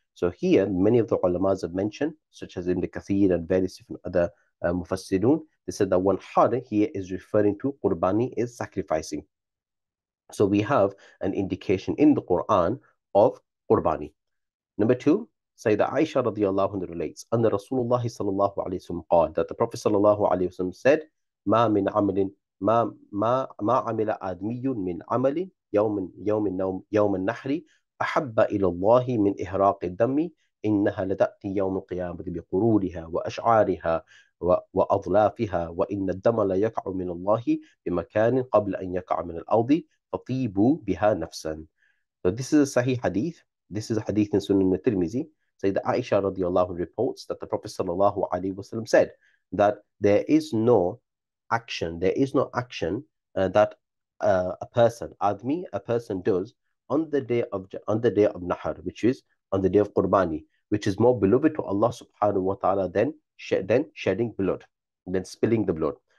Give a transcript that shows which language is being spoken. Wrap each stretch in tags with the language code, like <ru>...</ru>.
<en>So here many of the ulamas have mentioned, such as Ibn Kathir and various different other mufassirun, they said that one har here is referring to Qurbani, is sacrificing. So we have an indication in the Quran of Qurbani. Number two, Sayyida Aisha radiallahu anhu relates, and the Rasulullah sallallahu alayhi wa sallam qad, that the Prophet sallallahu alayhi wa sallam said,</en> <ar>Ma min amalin ما عمل آدمي من عمل يوم النحر أحب إلى الله من إهراق الدم إنها لتأتي يوم القيامة بقرورها وأشعارها وأظلافها وإن الدم لا يقع من الله بمكان قبل أن يقع من الأرض فطيبوا بها نفسا.</ar> <en>So this is a sahih hadith. This is a hadith in Sunan al-Tirmizi. Sayyidah Aisha radiallahu reports that the Prophet sallallahu alayhi wasallam said that there is no action that a person does on the day of Nahar, which is on the day of Qurbani, which is more beloved to Allah subhanahu wa ta'ala than spilling the blood.</en>